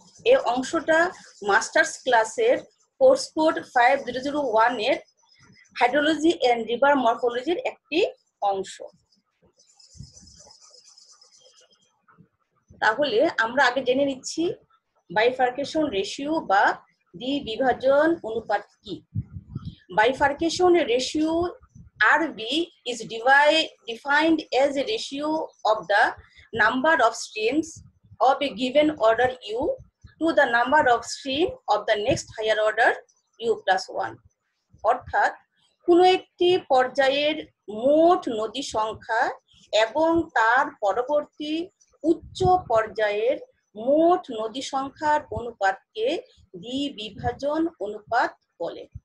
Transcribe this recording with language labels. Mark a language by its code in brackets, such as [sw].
[bn] এই অংশটা মাস্টার্স ক্লাসের কোর্স কোড 5001 এর হাইড্রোলজি এন্ড রিভার মরফোলজির একটি অংশ। তাহলে আমরা আগে জেনে নিচ্ছি বাইফারকেশন রেশিও বা দ্বিবিভাজন অনুপাত কি। [en] Bifurcation ratio RB is defined as a ratio of the number of streams of a given order U to the number of streams of the next higher order U plus 1. [bn] অর্থাৎ কোন একটি পর্যায়ের মোট নদী সংখ্যা এবং তার পরবর্তী উচ্চ পর্যায়ের মোট নদী সংখ্যার অনুপাতকে দ্বিবিভাজন অনুপাত বলে।